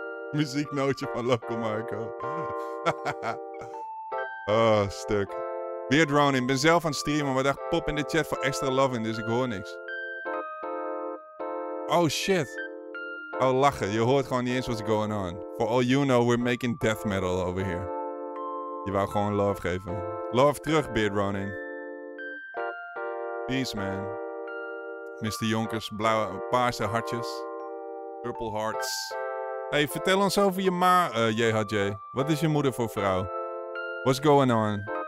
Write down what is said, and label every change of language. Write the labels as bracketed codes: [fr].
[nl] Muzieknootje van Loco Marco. Oh, stuk. Weer droning. Ben zelf aan het streamen, maar dacht pop in de chat voor extra loving, dus ik hoor niks. Oh, shit. Oh, lachen. Je hoort gewoon niet eens [en] what's going on. For all you know, we're making death metal over here. [nl] Je wou gewoon love geven. Love terug, Beard Running. Peace, man. Mr. Jonkers, blauwe, paarse hartjes. Purple hearts. Hey, vertel ons over je ma, JHJ. Wat is je moeder voor vrouw? [en] What's going on?